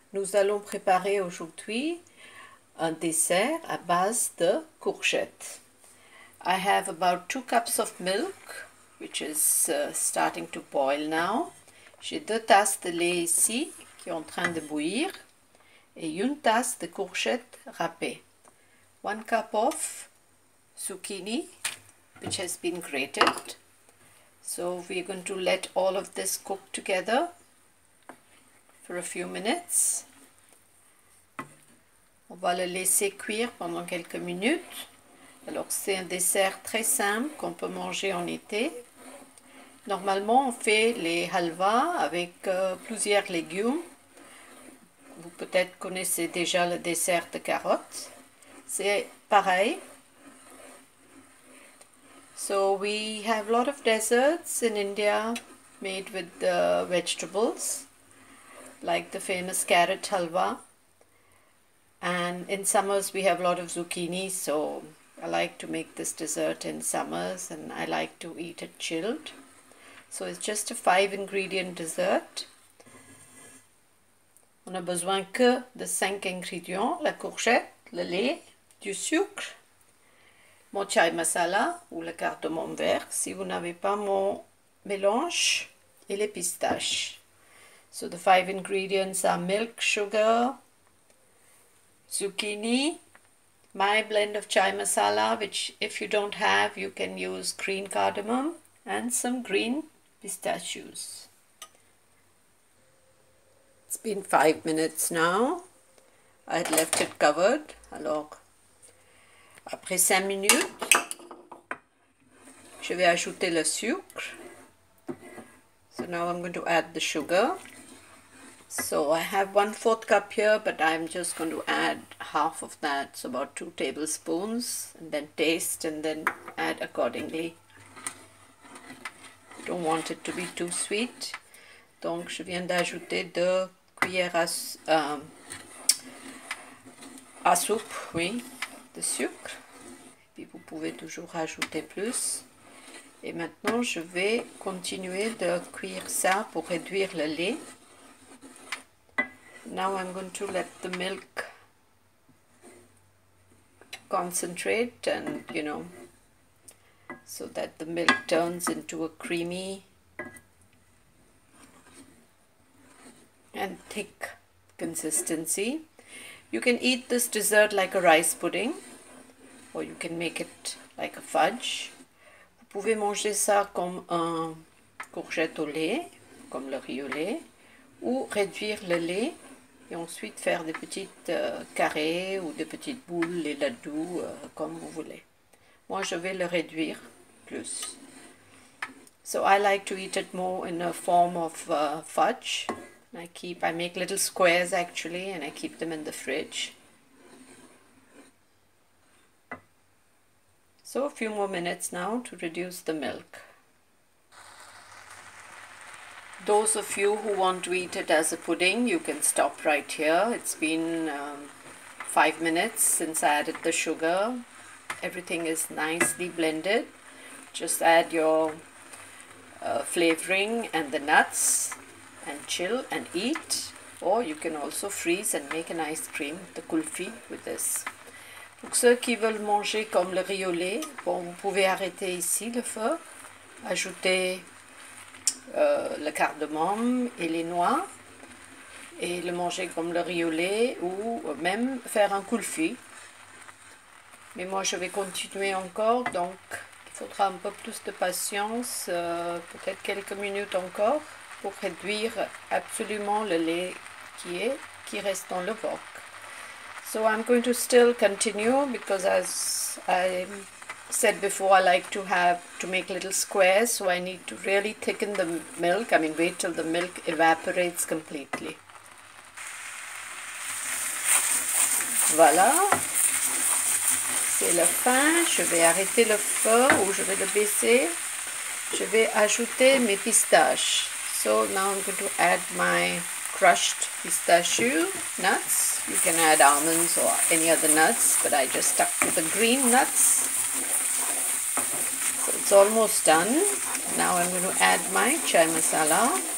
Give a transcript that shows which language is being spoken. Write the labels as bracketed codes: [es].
[fr] Nous allons préparer aujourd'hui un dessert à base de courgettes. [en] I have about 2 cups of milk, which is starting to boil now. [fr] J'ai 2 tasses de lait ici qui est en train de bouillir et 1 tasse de courgettes râpées. [en] 1 cup of zucchini, which has been grated. So we're going to let all of this cook together for a few minutes. [fr] On va le laisser cuire pendant quelques minutes. Alors, c'est un dessert très simple qu'on peut manger en été. Normalement, on fait les halva avec plusieurs légumes. Vous peut-être connaissez déjà le dessert de carottes. C'est pareil. [en] So, we have a lot of desserts in India made with the vegetables. Like the famous carrot halwa. And in summers, we have a lot of zucchini. So I like to make this dessert in summers and I like to eat it chilled. So it's just a 5-ingredient dessert. [fr] On a besoin que de 5 ingrédients: la courgette, le lait, du sucre, mon chai masala ou le cardamome vert si vous n'avez pas mon mélange et les pistaches. [en] So the 5 ingredients are milk, sugar, zucchini, my blend of chai masala, which if you don't have, you can use green cardamom and some green pistachios. It's been 5 minutes now. I had left it covered. [fr] Alors, après 5 minutes, je vais ajouter le sucre. [en] So now I'm going to add the sugar. So I have 1/4 cup here, but I'm just going to add half of that, so about 2 tablespoons, and then taste and then add accordingly. Don't want it to be too sweet. [fr] Donc je viens d'ajouter 2 cuillères à soupe, oui, de sucre. Puis vous pouvez toujours ajouter plus. Et maintenant je vais continuer de cuire ça pour réduire le lait. [en] Now I'm going to let the milk concentrate and you know, so that the milk turns into a creamy and thick consistency. You can eat this dessert like a rice pudding, or you can make it like a fudge. [fr] Vous pouvez manger ça comme un courgette au lait, comme le riz au lait, ou réduire le lait. Et ensuite faire des petits carrés ou des petites boules, les ladoux, comme vous voulez. Moi, je vais le réduire plus. [en] So I like to eat it more in a form of fudge. I make little squares actually, and I keep them in the fridge. So a few more minutes now to reduce the milk. Those of you who want to eat it as a pudding, you can stop right here. It's been 5 minutes since I added the sugar. Everything is nicely blended. Just add your flavoring and the nuts and chill and eat. Or you can also freeze and make an ice cream, the kulfi, with this. [fr] Pour ceux qui veulent manger comme le riz au lait, bon, vous pouvez arrêter ici le feu. Ajouter le cardamome et les noix, et le manger comme le riz au lait, ou même faire un kulfi. Mais moi je vais continuer encore, donc il faudra un peu plus de patience, peut-être quelques minutes encore, pour réduire absolument le lait qui reste dans le wok. [en] So I'm going to still continue because as I'm said before, I like to make little squares, so I need to really thicken the milk. I mean, wait till the milk evaporates completely. [fr] Voilà, c'est la fin. Je vais arrêter le feu ou je vais le baisser. Je vais ajouter mes pistaches. [en] So now I'm going to add my crushed pistachio nuts. You can add almonds or any other nuts, but I just stuck to the green nuts. It's almost done. Now I'm going to add my chai masala.